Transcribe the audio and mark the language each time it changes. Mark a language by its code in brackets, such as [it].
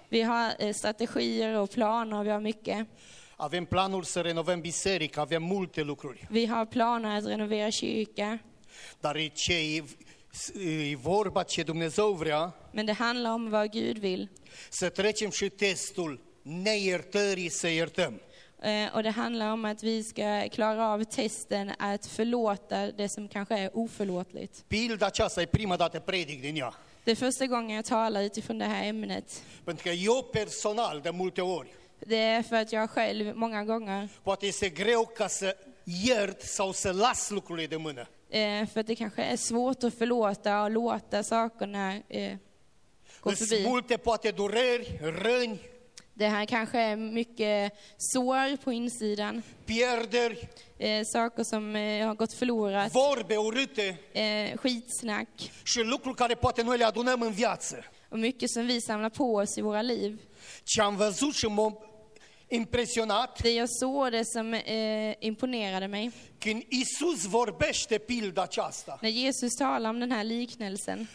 [sv] Vi har strategier och planer, vi har mycket. [ro] Avem planuri să renovăm biserica, avem multe lucruri. [sv] Vi har planer att renovera kyrka. [ro] Dar e vorba ce Dumnezeu vrea. [sv] Men det handlar om vad Gud vill. [ro] Să trecem și testul neiertării să iertăm. [sv] Och det handlar om att vi ska klara av testen att förlåta det som kanske är oförlåtligt. [ro] Bilda aceasta e prima dată predic din ea. [sv] Det är första gången jag talar utifrån det här ämnet. [ro] Pentru că eu personal de multe ori. [sv] Det är för att jag själv många gånger. [ro] Poate este greu ca să iert sau să las lucrurile de mână. [sv] För att det kanske är svårt att förlåta och låta sakerna gå förbi. [ro] Multe poate dureri, răni. [sv] Det här kanske är mycket sår på insidan. [ro] Pierder. [sv] Saker som har gått förlorat. [ro] Vorbe urâte. [sv] Skitsnack. [ro] Și lucruri care poate noi le adunăm în viață. [sv] Och mycket som vi samlar på oss i våra liv. [ro] Ce am văzut și m-am impresionat. [sv] Det jag såg, det som imponerade mig. [ro] Când Iisus vorbește pilda aceasta. [sv] När Jesus talar om den här liknelsen.